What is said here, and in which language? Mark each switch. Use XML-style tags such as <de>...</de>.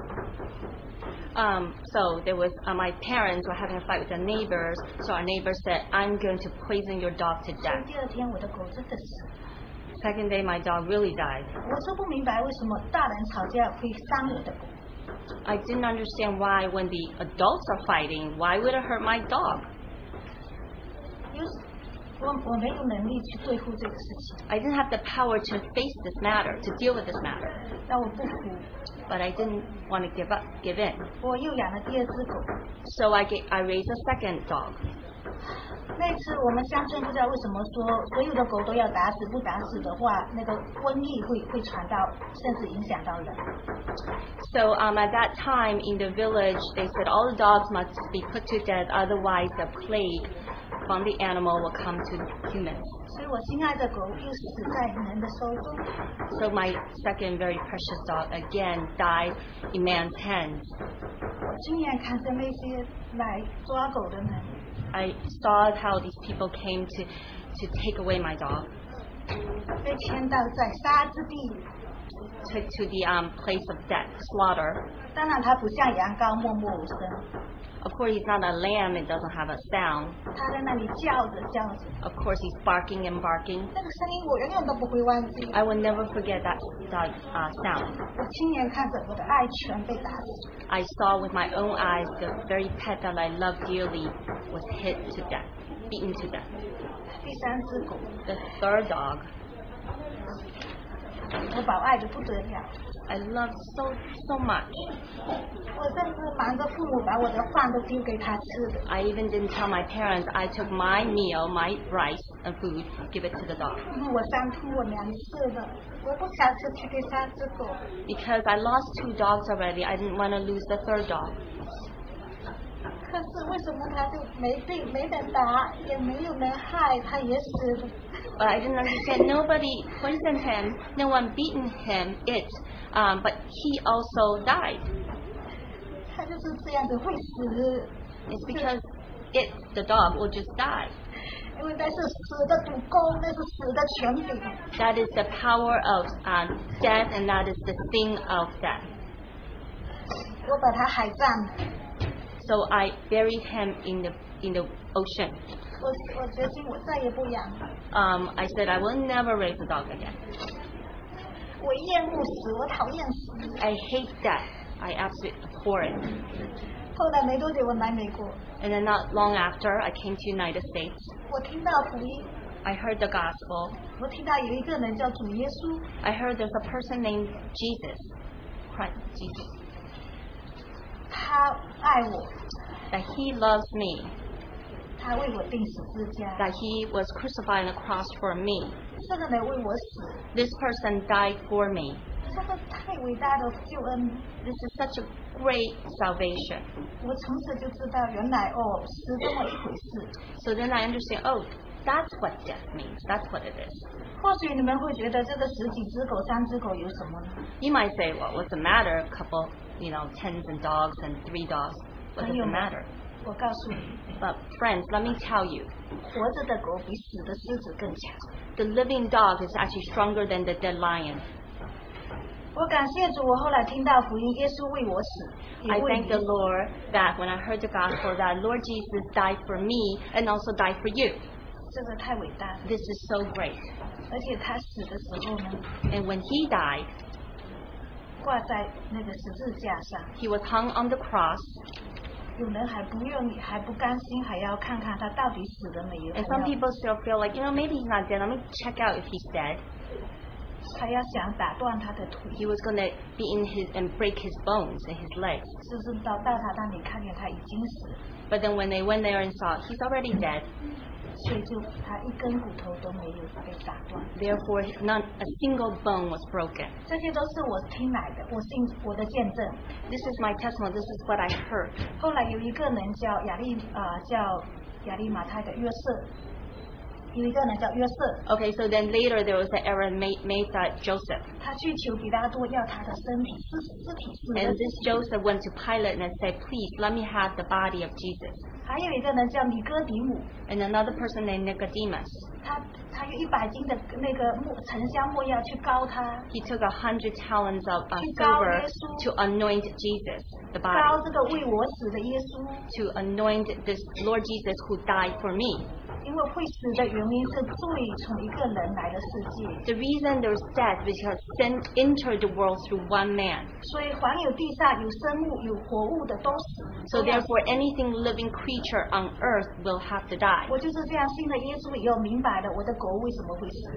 <zh>可是呢，当我有头一只狗养的时候，当我父母跟邻居吵架的时候，邻居说我要把你的狗毒死。</zh> <en>So there was my parents were having a fight with the neighbors, so our neighbor said, I'm going to poison your dog to death.</en> <zh>第二天我的狗真的死。</zh> <en>Second day, my dog really died.</en> <zh>我是不明白为什么大人吵架会伤我的狗。</zh> <en>I didn't understand why when the adults are fighting, why would it hurt my dog?</en> <zh>我没有能力去对付这个事情。</zh> <en>I didn't have the power to face this matter, to deal with this matter.</en> <zh>但我不服。</zh> <en>But I didn't want to give in.</en> <zh>我又养了第二只狗。</zh> <en>So I raised a second dog.</en> <zh>那次我们乡镇不知道为什么说所有的狗都要打死，不打死的话，那个瘟疫会传到，甚至影响到人。</zh> <en>So at that time in the village, they said all the dogs must be put to death, otherwise the plague from the animal will come to humans.</en> <zh>所以我心爱的狗又死在人的手中。</zh> <en>So my second very precious dog again died in man's hands.</en> <zh>我亲眼看着那些来抓狗的人。</zh> <en>I saw how these people came to take away my dog.</en> <zh>被牵到在杀之地。</zh> <en>To the place of death, slaughter.</en> <zh>当然他不像羊羔默默无声。</zh> <en>Of course, he's not a lamb and doesn't have a sound.</en> <zh>他在那里叫着叫着。</zh> <en>Of course, he's barking and barking.</en> <zh>那个声音我永远都不会忘记。</zh> <en>I will never forget that sound.</en> <zh>我亲眼看着我的爱全被打死。</zh> <en>I saw with my own eyes the very pet that I love dearly was hit to death, beaten to death.</en> <zh>第三只狗。</zh> <en>The third dog.</en> <zh>我把我爱得不得了。</zh> <en>I love so much.</en> <zh>我甚至瞒着父母把我的饭都丢给他吃的。</zh> <en>I even didn't tell my parents. I took my meal, my rice and food, give it to the dog.</en> <zh>因为我伤痛，我粮食了，我不想失去第三只狗。</zh> <en>Because I lost two dogs already, I didn't want to lose the third dog.</en> <zh>可是为什么他就没病，没人打，也没有人害，他也死了。</zh> <en>But I didn't understand. Nobody poisoned him. No one beaten him. But he also died.</en> <zh>他就是这样子会死。</zh> <en>It's because it, the dog, will just die.</en> <zh>因为那是死的毒钩，那是死的权柄。</zh> <en>That is the power of death, and that is the thing of death.</en> <zh>我把他海葬。</zh> <en>So I buried him in the ocean.</en> <zh>我决心我再也不养。</zh> <en>I said I will never raise a dog again.</en> <zh>我厌恶死，我讨厌死。</zh> <en>I hate death. I absolutely abhor it.</en> <zh>后来没多久，我来美国。</zh> <en>And then not long after, I came to United States.</en> <zh>我听到福音。</zh> <en>I heard the gospel.</en> <zh>我听到有一个人叫主耶稣。</zh> <en>I heard there's a person named Jesus, Christ Jesus.</en> <zh>他爱我。</zh> <en>That he loves me.</en> <zh>他为我钉十字架。</zh> <en>That he was crucified on the cross for me.</en> <zh>这个人为我死。</zh> <en>This person died for me.</en> <zh>这个太伟大的救恩。</zh> <en>This is such a great salvation.</en> <zh>我从此就知道原来哦是这么一回事。</zh> <en>So then I understand, oh, that's what death means. That's what it is.</en> <zh>或许你们会觉得这个十几只狗、三只狗有什么呢？</zh> <en>You might say, well, what's the matter? A couple, you know, tens and dogs and three dogs. What does it matter?</en> <zh>我告诉你。</zh> <en>But friends, let me tell you,</en> <zh>活着的狗比死的狮子更强。</zh> <en>The living dog is actually stronger than the dead lion.</en> <zh>我感谢主，我后来听到福音，耶稣为我死。</zh> <en>I thank the Lord that when I heard the gospel, that Lord Jesus died for me and also died for you.</en> <zh>这个太伟大。</zh> <en>This is so great.</en> <zh>而且他死的时候呢？</zh> <en>And when he died,</en> <zh>挂在那个十字架上。</zh> <en>He was hung on the cross.</en> <zh>有人还不愿意，还不甘心，还要看看他到底死了没有。</zh> <en>And some people still feel like, you know, maybe he's not dead. Let me check out if he's dead.</en> <zh>他要想打断他的腿。</zh> <en>He was going to beat his and break his bones and his legs.</en> <zh>是不是到他那里看见他已经死</zh> <en>？But then when they went there and saw he's already dead.</en> <zh>所以就他一根骨头都没有被打断。</zh> <en>Therefore, not a single bone was broken.</en> <zh>这些都是我听来的，我信我的见证。</zh> <en>This is my testimony. This is what I heard.</en> <zh>后来有一个人叫亚利马太的约瑟，有一个人叫约瑟。</zh> <en>Okay, so then later there was an Arimathea Joseph.</en> <zh>他去求比拉多要他的尸体。</zh> <en>And this Joseph went to Pilate and said, "Please let me have the body of Jesus."</en> <zh>还有一个人叫尼哥底母。</zh> <en>And another person named Nicodemus.</en> <zh>他用100斤的那个木沉香木药去膏他。</zh> <en>He took 100 talents of silver to anoint Jesus, the body.</en> <zh>膏这个为我死的耶稣。</zh> <en>To anoint this Lord Jesus who died for me.</en> <zh>因为会死的原因是罪从一个人来了世界。</zh> <en>The reason there's death because sin entered the world through one man.</en> <zh>所以凡有地上有生物有活物的都死。</zh> <en>So therefore anything living creature on earth will have to die.</en> <zh>我就是这样信了耶稣以后明白的，我的狗为什么会死。</zh>